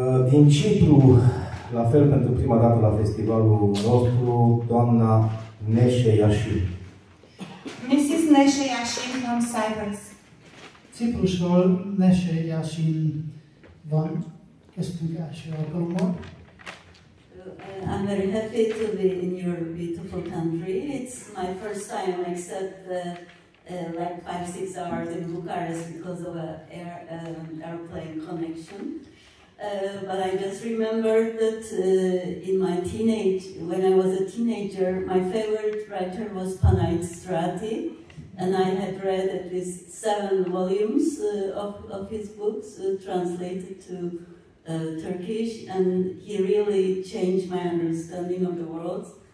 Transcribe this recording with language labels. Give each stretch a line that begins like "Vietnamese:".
Romanian: Din Cipru, la fel pentru prima dată la festivalul nostru, doamna Neshe Yashin.
English: Mrs. Neshe Yashin from Cyprus.
Hungarian: Ciprusul Neshe Yashin van köztünk első alkalommal.
English: I'm very happy to be in your beautiful country. It's my first time except like 5-6 hours in Bucharest because of an airplane connection. But I just remembered that in my teenage, when I was a teenager, my favorite writer was Panait Strati, and I had read at least 7 volumes of his books translated to Turkish, and he really changed my understanding of the world.